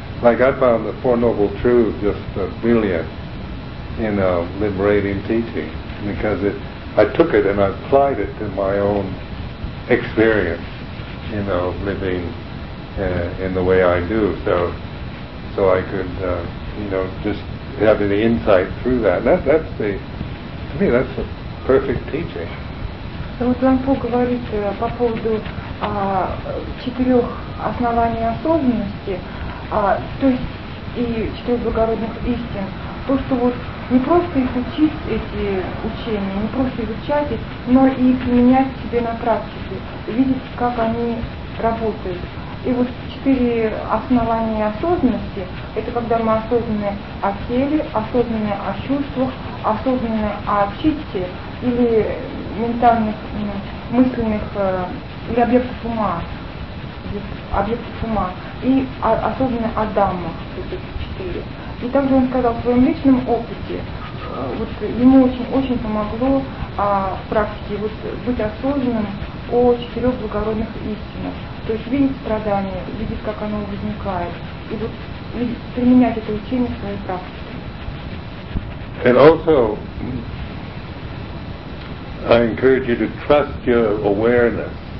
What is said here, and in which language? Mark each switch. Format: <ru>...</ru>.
<en>Like I found the Four Noble Truths just a brilliant, you know, liberating teaching, because I took it and I applied it to my own experience. you know, living in the way I do, so I could, you know, just have the insight through that. That's a perfect teaching.</en> <ru>So вот Лампо говорит по поводу четырех оснований осознанности, то есть и четырех благородных истин. То, что вот не просто изучить эти учения, не просто изучать их, но и применять себе на практике, видеть, как они работают. И вот четыре основания осознанности – это когда мы осознанные о теле, осознанные о чувствах, осознанные о чистоте или ментальных, мысленных, или объектов ума, и осознанные о даммах, вот эти четыре. И также он сказал, в своем личном опыте вот ему очень-очень помогло в практике вот, быть осознанным о четырех благородных истинах. То есть видеть страдания, видеть, как оно возникает, и вот применять это учение в своей практике.</ru> <en>And also, I encourage you to trust your awareness.</en>